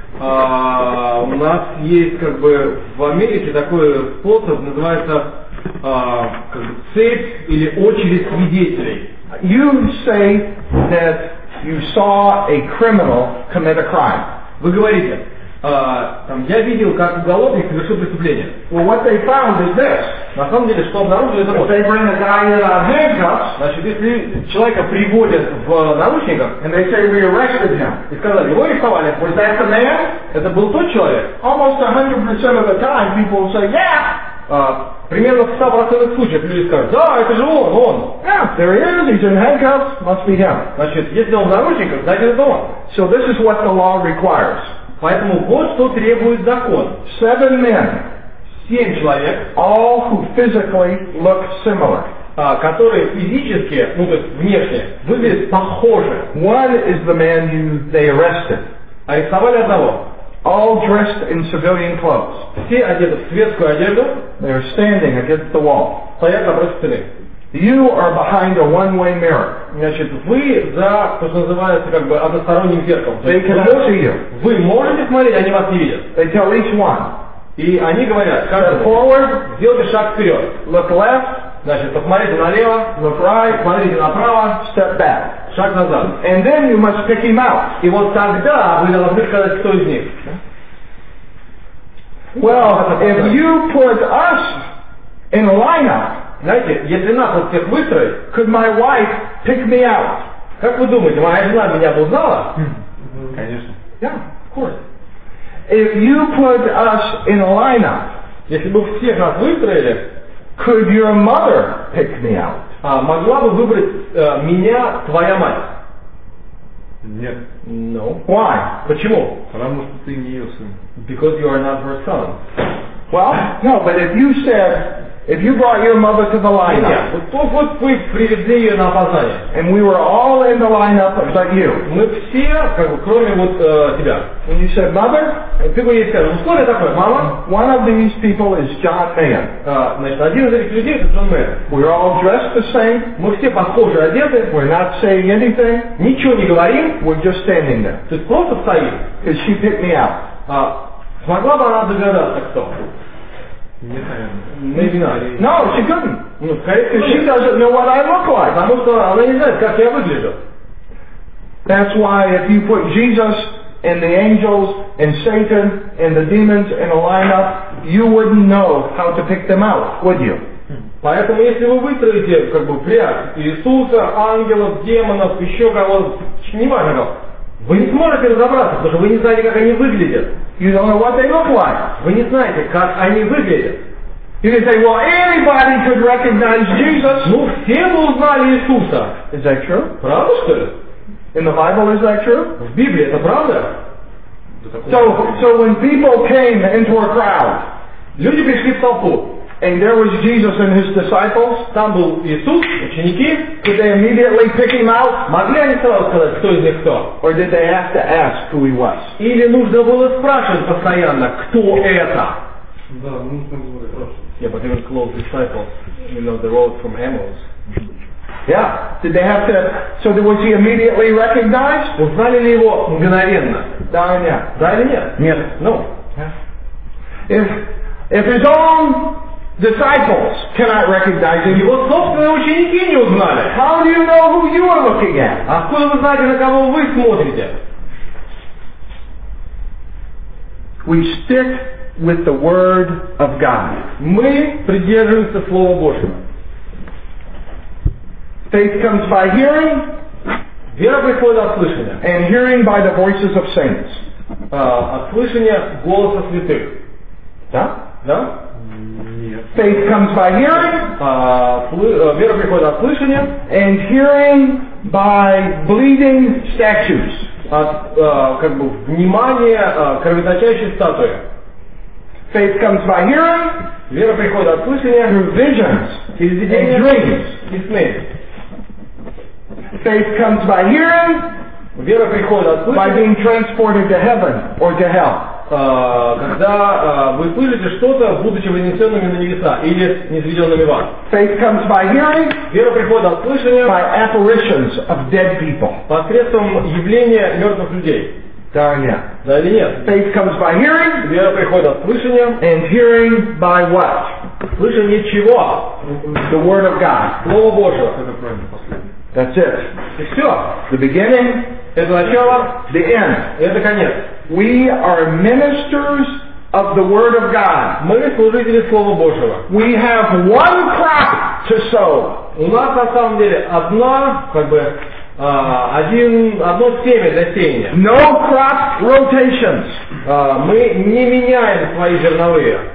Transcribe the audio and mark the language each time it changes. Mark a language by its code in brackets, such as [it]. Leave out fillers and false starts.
[ru] У нас есть как бы в Америке такой способ, называется как бы, цепь или очередь свидетелей. [en] You say that you saw a criminal commit a crime. [ru] Вы говорите, там, я видел, как уголовник совершил преступление. [en] Well, what they found is this. [ru] На самом деле, что обнаружили, это вот. [en] They bring a guy in handcuffs. [ru] Значит, если человека приводят в наручниках, [en] and they say, we arrested him. [ru] И сказали, его арестовали. [en] Was that the man? [ru] Это был тот человек. [en] Almost 100% of the time, people say, yeah. [ru] Примерно в 100% случаев люди скажут, да, это же он. [en] Yeah, there he is, he's in handcuffs, must be him. [ru] Значит, если он в наручниках, значит, это он. [en] So this is what the law requires. [ru] Поэтому вот что требует закон. [en] 7 men. [ru] 7 человек. [en] All who physically look similar. [ru] Которые физически, ну, то есть внешне, выглядят похоже. [en] One is the man you, they arrested. [ru] Арестовали одного. [en] All dressed in civilian clothes. [ru] Все одеты в светскую одежду. [en] They are standing against the wall. [ru] Стоят напротив стены. [en] You are behind a one-way mirror. [ru] Значит, вы за, то, что называется, как бы, односторонним зеркалом. [en] They can look at you. [ru] Вы можете смотреть, они вас не видят. [en] They tell each one. [ru] И они говорят, [en] step forward, [ru] сделайте шаг вперед. [en] Look left. [ru] Значит, посмотрите налево. [en] Look right. [ru] Смотрите направо. [en] Step back. [ru] Шаг назад. [en] And then you must pick him out. [ru] И вот тогда вы должны сказать, кто из них. [en] Well, if you put us in a lineup, [ru] знаете, если нас вот всех выстроить, [en] could my wife pick me out? [ru] Как вы думаете, моя жена меня бы узнала? Конечно. [en] Yeah, of course. If you put us in a lineup, [ru] если бы всех нас выстроили, [en] could your mother pick me out? [ru] Могла бы выбрать меня твоя мать? Нет. [en] No. Why? [ru] Почему? Потому что ты не ее сын. [en] Because you are not her son. Well, no, but if you said, If you brought your mother to the lineup, and we were all in the lineup but you, when you said, mother, [ru] Мама, [en] one of these people is John Mayer. We're all dressed the same. [ru] Мы все похожи одеты. [en] We're not saying anything. [ru] Ничего не говорим. [en] We're just standing there. [ru] Ты просто стоим. [en] And she hit me out. [ru] Смогла бы она догадаться, кто? [en] Maybe not. No, she couldn't. She doesn't know what I look like. [ru] Потому что она не знает, как я выгляжу. [en] That's why if you put Jesus and the angels and Satan and the demons in a lineup, you wouldn't know how to pick them out, would you? [ru] Поэтому если вы выстроите как бы пряд Иисуса, ангелов, демонов, еще кого-то, неважно, вы не сможете разобраться, потому что вы не знаете, как они выглядят. [en] You don't know what they look like. [ru] Вы не знаете, как они выглядят. [en] You can say, well, anybody could recognize Jesus. [ru] Ну, все бы узнали Иисуса. [en] Is that true? [ru] Правда, что ли? [en] In the Bible, is that true? [ru] В Библии это правда? [en] So when people came into a crowd, [ru] люди пришли в толпу, [en] and there was Jesus and his disciples, [ru] там был Иисус, ученики, [en] could they immediately pick him out? [ru] Могли они сразу сказать, кто из них кто? [en] Or did they have to ask who he was? [ru] Или нужно было спрашивать постоянно, кто это? Да, нужно было спрашивать. [en] Yeah, but even close disciples, you know, the road from Emmaus. Yeah, did they have to, so that was he immediately recognized? [ru] Узнали ли его мгновенно? Да или нет? Да или нет? Нет. [en] No. If his own disciples cannot recognize him, [ru] его собственные ученики не узнали. [en] How do you know who you are looking at? [ru] Откуда вы знаете, на кого вы смотрите? [en] We stick with the word of God. [ru] Мы придерживаемся Слова Божьего. [en] Faith comes by hearing. [ru] Вера приходит от слышания. [en] And hearing by the voices of saints. [ru] От слышания голоса святых. Да? Да? Нет. [en] Faith comes by hearing. [ru] Вера приходит от слышания. [en] And hearing by bleeding statues. [ru] От как бы внимания кровоточащей статуи. [en] Faith comes by hearing. [ru] Вера приходит от слышания. [en] Through visions. [ru] Через видения. [en] And dreams. [ru] И сны. [en] Faith comes by hearing. [ru] Вера приходит от слышания. [en] By being transported to heaven or to hell. [ru] Когда вы слышите что-то, будучи вознесенными на небеса или низведенными в ад. [en] Faith comes by hearing. [ru] Вера приходит от слышания. [en] By apparitions of dead people. [ru] Посредством явления мертвых людей. Да или нет? Да или нет? [en] Faith comes by hearing. [ru] Вера приходит от слышания. [en] And hearing by what? [ru] Слышание чего? [en] The word of God. [ru] Слово Божие. [en] That's it. [ru] И все. [en] The beginning. [ru] Это начало. [en] The end. [ru] Это конец. [en] We are ministers of the word of God. [ru] Мы служители Слова Божьего. [en] We have one crop to sow. [ru] У нас на самом деле одна, как бы, одно семя для сеяния. [en] No crop rotations. [ru] Мы не меняем свои зерновые.